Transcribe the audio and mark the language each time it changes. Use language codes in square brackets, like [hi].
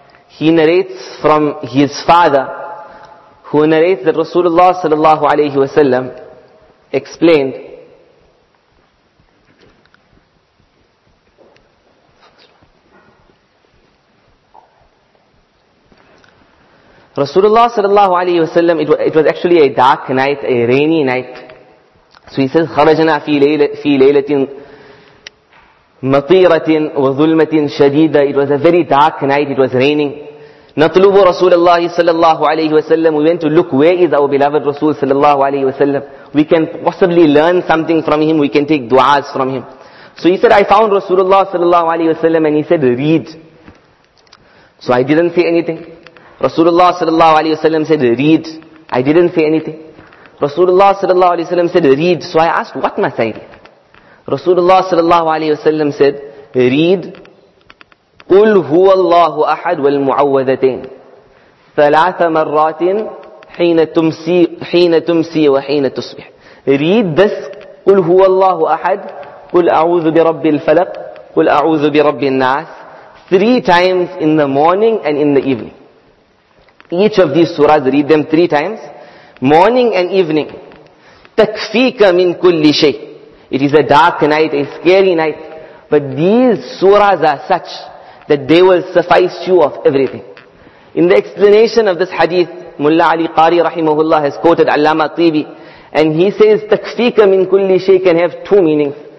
[en] He narrates from his father, who narrates that Rasulullah sallallahu alayhi wa sallam explained. Rasulullah sallallahu alayhi wa sallam, it was actually a dark night, a rainy night. [ar] So he says, خَرَجَنَا فِي لَيْلَةٍ مَطِيرَةٍ وَظُلْمَةٍ شَدِيدَةٍ. [en] It was a very dark night, it was raining. [ar] نَطْلُوبُ رَسُولَ اللَّهِ صَلَى اللَّهُ عَلَيْهِ وَسَلَّمُ. [en] We went to look, where is our beloved Rasul صَلَى اللَّهُ عَلَيْهِ وَسَلَّمُ. We can possibly learn something from him, we can take du'as from him. So he said, I found Rasulullah صَلَى اللَّهُ عَلَيْهِ وَسَلَّمُ, and he said, read. So I didn't say anything. Rasulullah صَلَى اللَّهُ عَلَيْهِ وَسَلَّمُ said, read. I didn't say anything. Rasulullah sallallahu alayhi wa sallam said, read. So I asked, what must I read? Rasulullah sallallahu alayhi wa sallam said, read, [ar] قُلْ هُوَ اللَّهُ أَحَدْ وَالْمُعَوَّذَتَيْنِ ثَلَاثَ مَرَّاتٍ حِينَ تُمْسِي وَحِينَ تُصْبِحِ. [en] Read this, [ar] قُلْ هُوَ اللَّهُ أَحَدْ, قُلْ أَعُوذُ بِرَبِّ الْفَلَقِ, قُلْ أَعُوذُ بِرَبِّ النَّاسِ, [en] 3 times in the morning and in the evening. Each of these surahs, read them 3 times. Morning and evening. [ar] تَكْفِيكَ مِنْ كُلِّ شَيْءٍ. [en] It is a dark night, a scary night. But these surahs are such that they will suffice you of everything. In the explanation of this hadith, Mullah Ali Qari rahimahullah has quoted Allama Tibi, and he says, [ar] تَكْفِيكَ مِنْ كُلِّ شَيْءٍ [en] can have 2 meanings.